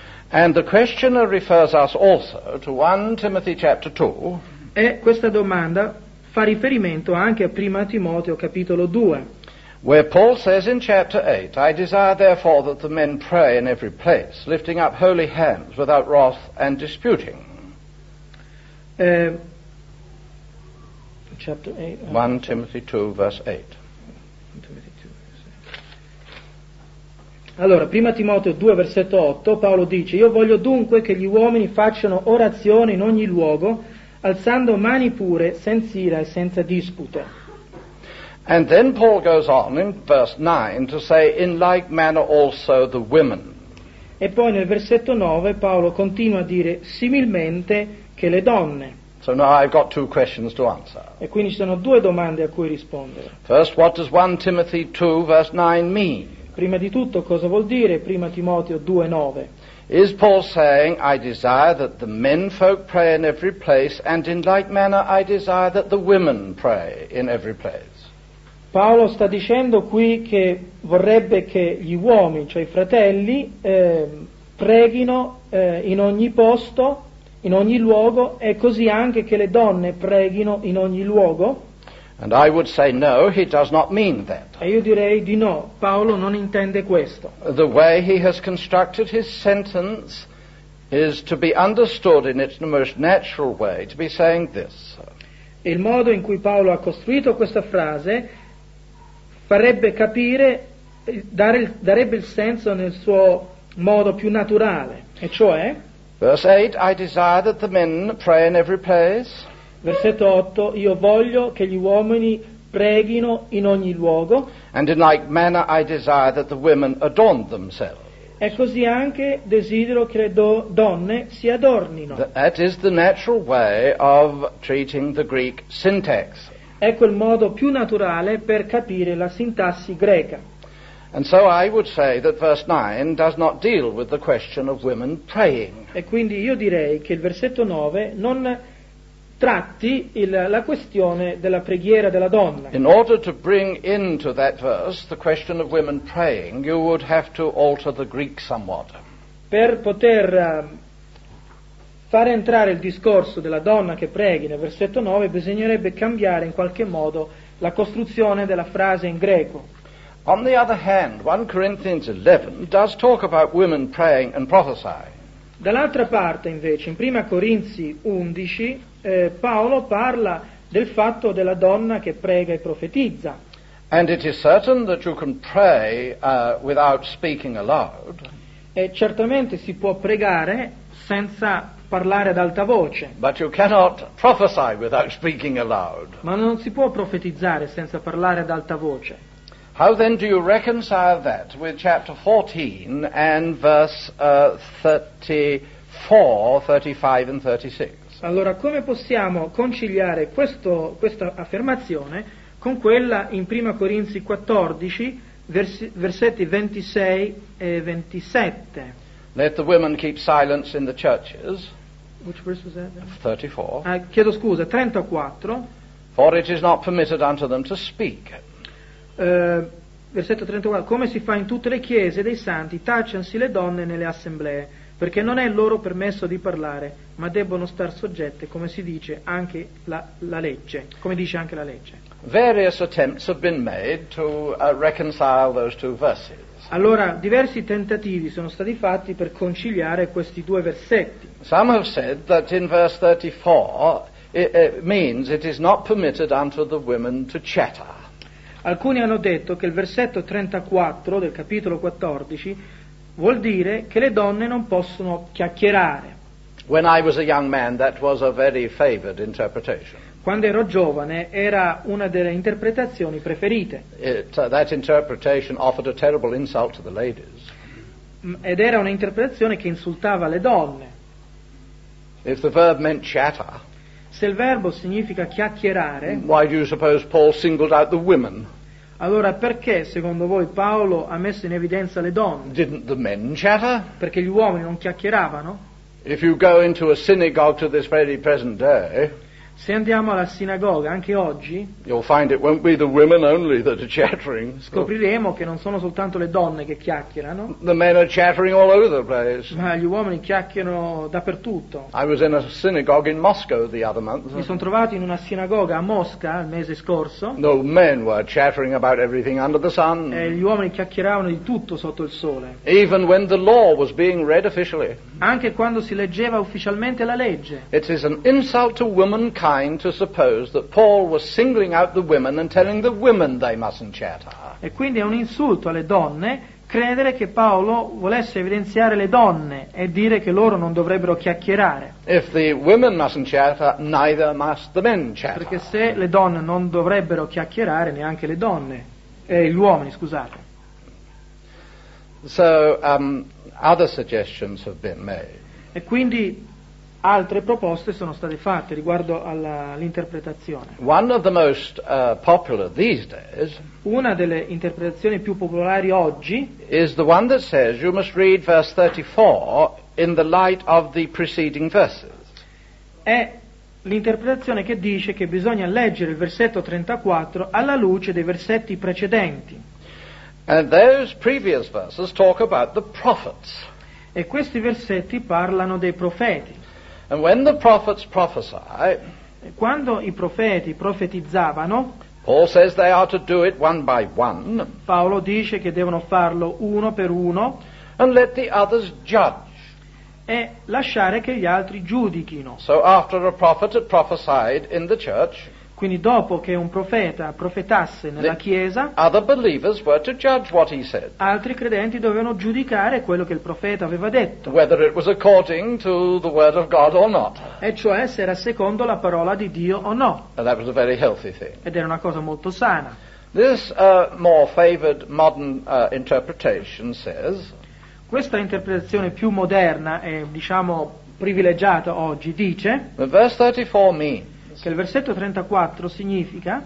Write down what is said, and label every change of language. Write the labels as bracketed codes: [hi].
[en] And the questioner refers us also to 1 Timothy chapter 2. [it] E questa domanda fa riferimento anche a 1 Timoteo capitolo 2. [en] Where Paul says in chapter 8, I desire therefore that the men pray in every place, lifting up holy hands without wrath and disputing. Chapter 8. 1 Timothy 2 verse 8. [it] Allora, 1 Timoteo 2, versetto 8, Paolo dice: io voglio dunque che gli uomini facciano orazione in ogni luogo, alzando mani pure, senza ira e senza dispute. [en] And then Paul goes on in verse 9 to say, in like manner also the women. [it] E poi nel versetto 9 Paolo continua a dire, similmente che le donne. [en] So now I've got two questions to answer. [it] E quindi ci sono due domande a cui rispondere. [en] First, what does 1 Timothy 2, verse 9 mean? [it] Prima di tutto, cosa vuol dire 1 Timoteo 2:9? [en] Is Paul saying, I desire that the men folk pray in every place, and in like manner I desire that the women pray in every place? [it] Paolo sta dicendo qui che vorrebbe che gli uomini, cioè i fratelli, preghino in ogni posto, in ogni luogo, e così anche che le donne preghino in ogni luogo? [en] And I would say no, he does not mean that. [it] E io direi di no, Paolo non intende questo. [en] The way he has constructed his sentence is to be understood in its most natural way, to be saying this. [it] Il modo in cui Paolo ha costruito questa frase farebbe capire, darebbe il senso nel suo modo più naturale, e cioè... [en] Verse 8, I desire that the men pray in every place... [it] Versetto 8, io voglio che gli uomini preghino in ogni luogo. [en] And in like manner I desire that the women adorn themselves. [it] E così anche desidero che le donne si adornino. [en] That is the natural way of treating the Greek syntax. [it] Ecco il modo più naturale per capire la sintassi greca. [en] And so I would say that verse 9 does not deal with the question of women praying. [it] E quindi io direi che il versetto 9 non tratti la questione della preghiera della donna. [en] In order to bring into that verse the question of women praying, you would have to alter the Greek somewhat. [it] Per poter far entrare il discorso della donna che preghi nel versetto 9, bisognerebbe cambiare in qualche modo la costruzione della frase in greco. [en] On the other hand, 1 Corinthians 11 does talk about women praying and prophesying. [it] Dall'altra parte, invece, in 1 Corinzi 11, Paolo parla del fatto della donna che prega e profetizza. [en] And it is certain that you can pray without speaking aloud. [it] E certamente si può pregare senza parlare ad alta voce. [en] But you cannot prophesy without speaking aloud. [it] Ma non si può profetizzare senza parlare ad alta voce. [en] How then do you reconcile that with chapter 14 and verse 34, 35 and 36? [it] Allora, come possiamo conciliare questa affermazione con quella in 1 Corinzi 14, versetti 26 e 27? [en] Let the women keep silence in the churches. Which verse was that then? 34. [it] Chiedo scusa, 34. [en] For it is not permitted unto them to speak. [it] Versetto 34. Come si fa in tutte le chiese dei santi, tacciansi le donne nelle assemblee, perché non è loro permesso di parlare, ma debbono star soggette, come si dice anche la legge, come dice anche la legge. [en] Various attempts have been made to reconcile those two verses. [it] Allora, diversi tentativi sono stati fatti per conciliare questi due versetti. [en] Some have said that in verse 34 it means it is not permitted unto the women to chatter. [it] Alcuni hanno detto che il versetto 34 del capitolo 14 vuol dire che le donne non possono chiacchierare. [en] When I was a young man, that was a very favored interpretation. [it] Quando ero giovane, era una delle interpretazioni preferite. [en] That interpretation offered a terrible insult to the ladies. [it] Ed era un'interpretazione che insultava le donne. [en] If the verb meant chatter, [it] se il verbo significa chiacchierare, [en] why do you suppose Paul singled out the women? [it] Allora perché secondo voi Paolo ha messo in evidenza le donne? [en] Didn't the men chatter? [it] Perché gli uomini non chiacchieravano? [en] If you go into a synagogue to this very present day, [it] se andiamo alla sinagoga anche oggi, [en] you'll find it won't be the women only that are chattering. [it] Scopriremo che non sono soltanto le donne che chiacchierano. [en] The men are chattering all over the place. [it] Ma gli uomini chiacchierano dappertutto. [en] I was in a synagogue in Moscow the other month. [it] Mi sono trovato in una sinagoga a Mosca il mese scorso. [en] No, men were chattering about everything under the sun. [it] E gli uomini chiacchieravano di tutto sotto il sole. [en] Even when the law was being read officially. [it] Anche quando si leggeva ufficialmente la legge. [en] It is an insult to women kind to suppose that Paul was singling out the women and telling the women they mustn't chatter. [it] E quindi è un insulto alle donne credere che Paolo volesse evidenziare le donne e dire che loro non dovrebbero chiacchierare. [en] If the women mustn't chatter, neither must the men chatter. [it] Perché se le donne non dovrebbero chiacchierare, neanche le donne gli uomini, scusate. [en] So other suggestions have been made. [it] E quindi altre proposte sono state fatte riguardo all'interpretazione. [en] One of the most popular these days. [it] Una delle interpretazioni più popolari oggi [en] is the one that says you must read verse 34 in the light of the preceding verses. [it] È l'interpretazione che dice che bisogna leggere il versetto 34 alla luce dei versetti precedenti. [en] And those previous verses talk about the prophets. [it] E questi versetti parlano dei profeti. [en] And when the prophets prophesy, [it] quando i profeti profetizzavano, [en] Paul says they are to do it one by one, [it] Paolo dice che devono farlo uno per uno, [en] and let the others judge, [it] e lasciare che gli altri giudichino. [en] So after a prophet had prophesied in the church, [it] quindi dopo che un profeta profetasse nella chiesa, [en] other believers were to judge what he said. [it] Altri credenti dovevano giudicare quello che il profeta aveva detto. [en] Whether it was according to the word of God or not. [it] E cioè se era secondo la parola di Dio o no. [en] And that was a very healthy thing. [it] Ed era una cosa molto sana. [en] This more favored modern interpretation says, [it] questa interpretazione più moderna e diciamo privilegiata oggi dice, [en] the verse 34 means, [it] che il versetto 34 significa